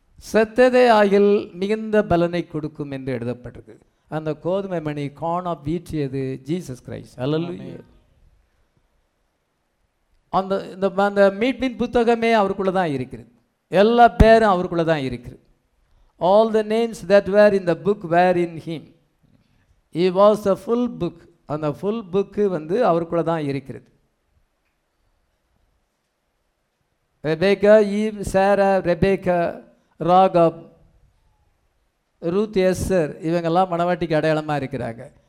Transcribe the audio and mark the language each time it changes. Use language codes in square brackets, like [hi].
[ta] செத்ததே ஆகில் மிகுந்த பலனை கொடுக்கும் என்று எழுதப்பட்டிருக்கு. அந்த கோதுமை மணி கார்ன் ஆஃப் வீட்டியது ஜீசஸ் கிரைஸ்ட். ஹல்லேலூயா. அந்த இந்த அந்த மீட்பின் புத்தகமே அவருக்குள்ளே தான் இருக்கிறது. எல்லா பேரும் அவருக்குள்ளே தான் இருக்கிறது. [en] All the names that were in the book were in him. He was a full book. [ta] அந்த ஃபுல் புக்கு வந்து அவருக்குள்ளே தான் இருக்கிறது. ரெபேக்கா, ஈவ், சாரா, ரெபேக்கா, ராகப், ரூத், எஸ்ஸர், இவங்கெல்லாம் மனவாட்டிக்கு அடையாளமாக இருக்கிறாங்க.